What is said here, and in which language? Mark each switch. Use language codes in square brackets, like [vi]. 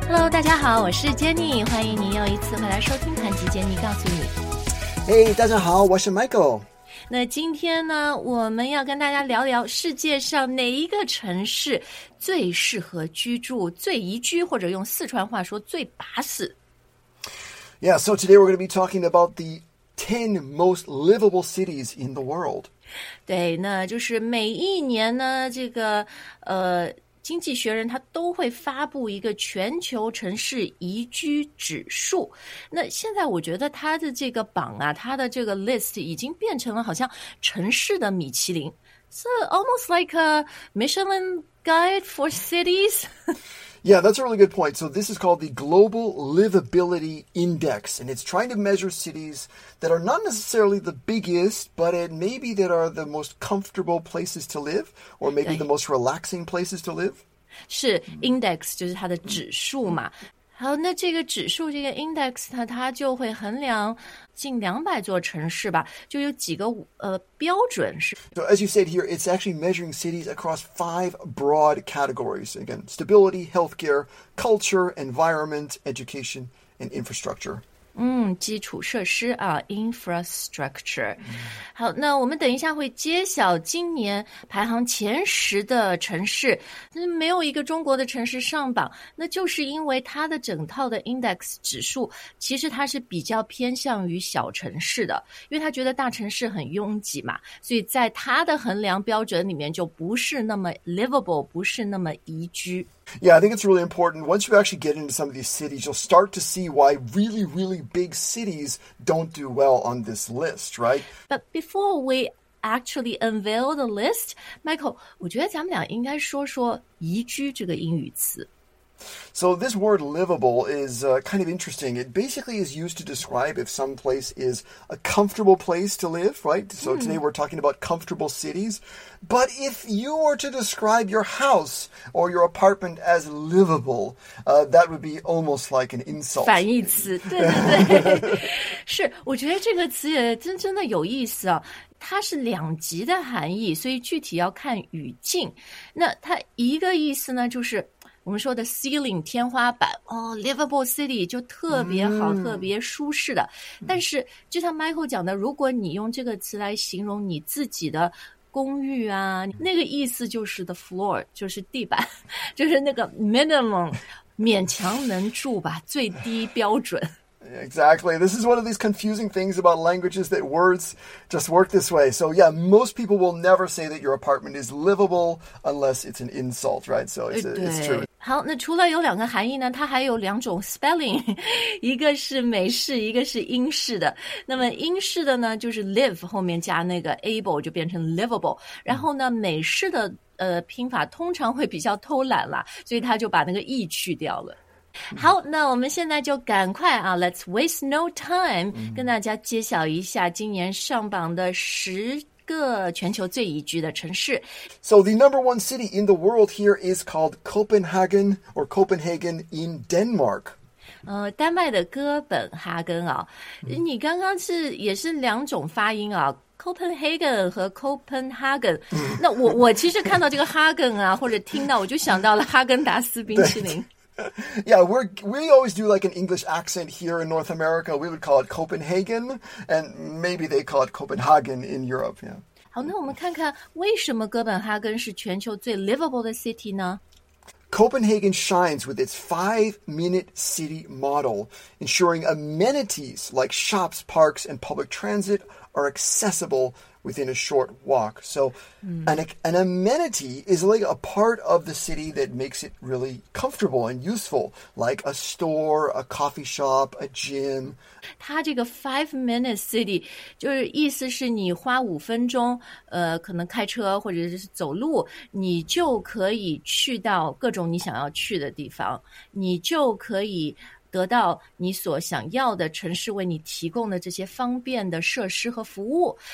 [zh] 大家好，我是 Jenny， 欢迎您又一次回来收听谈及 Jenny 告诉你。 Hey， 大家好，我是 Michael。那今天呢，我们要跟大家聊聊世界上哪一个城市最适合居住、最宜居，或者用四川话说最巴适。 [en] Yeah, so today we're going to be talking about the 10 most livable cities in the world. [zh] 对，那就是每一年呢，这个经济学人他都会发布一个全球城市宜居指数。那现在我觉得他的这个榜啊，他的这个 list 已经变成了好像城市的米其林。 [en] So almost like a Michelin guide for cities. Yeah, that's a really good point. So this is called the Global Livability Index, and it's trying to measure cities that are not necessarily the biggest, but it may be that are the most comfortable places to live, or maybe the most relaxing places to live. [zh] 是 index 就是它的指数嘛。好，那这个指数这个 index 它就会衡量近200座城市吧，就有几个标准是。 [en] So as you said here, it's actually measuring cities across 5 broad categories. Again, stability, healthcare, culture, environment, education, and infrastructure. [zh] 嗯，基础设施啊 ，infrastructure。好，那我们等一下会揭晓今年排行前十的城市，没有一个中国的城市上榜，那就是因为它的整套的 index 指数，其实它是比较偏向于小城市的，因为它觉得大城市很拥挤嘛，所以在它的衡量标准里面就不是那么 livable， 不是那么宜居。 [en] Yeah, I think it's really important. Once you actually get into some of these cities, you'll start to see why really, really big cities don't do well on this list, right? But before we actually unveil the list, [zh] Michael, 我觉得咱们俩应该说说宜居这个英语词。 [en] So this word livable is kind of interesting. It basically is used to describe if some place is a comfortable place to live, right? So today we're talking about comfortable cities. But if you were to describe your house or your apartment as livable, that would be almost like an insult. [zh] 反义词，对对对。是，我觉得这个词也真的有意思啊。它是两极的含义，所以具体要看语境。那它一个意思呢，就是我们说的 ceiling 天花板哦 ，livable city 就特别好、特别舒适的。但是就像 Michael 讲的，如果你用这个词来形容你自己的公寓啊，那个意思就是 the floor， 就是地板，就是那个 minimum， 勉强能住吧，最低标准。 [en] Exactly. This is one of these confusing things about languages that words just work this way. So yeah, most people will never say that your apartment is livable unless it's an insult, right? So it's true. [zh] 好，那除了有两个含义呢，它还有两种 spelling， 一个是美式，一个是英式的。那么英式的呢，就是 live 后面加那个 able 就变成 livable。然后呢，美式的拼法通常会比较偷懒啦，所以他就把那个 e 去掉了。好，那我们现在就赶快啊 ， [en] Let's waste no time， [zh] 跟大家揭晓一下今年上榜的十个全球最宜居的城市。 [en] So the number one city in the world here is called Copenhagen or Copenhagen in Denmark. [zh] 丹麦的哥本哈根啊，你刚刚也是两种发音啊。 Copenhagen 和 Copenhagen， 那我其实看到这个哈根啊，或者听到我就想到了哈根达斯冰淇淋。 [en] Yeah, we always do like an English accent here in North America. We would call it Copenhagen, and maybe they call it Copenhagen in Europe. Yeah. [zh] 好，那我们看看为什么哥本哈根是全球最 livable 的 city 呢？ [en] Copenhagen shines with its 5-minute city model, ensuring amenities like shops, parks, and public transit are accessible within a short walk. So an amenity is like a part of the city that makes it really comfortable and useful, like a store, a coffee shop, a gym. [zh] 它这个 5-minute city 就是意思是你花五分钟可能开车或者是走路，你就可以去到各种你想要去的地方，你就可以得到你所想要的城市为你提供的这些方便的设施和服务。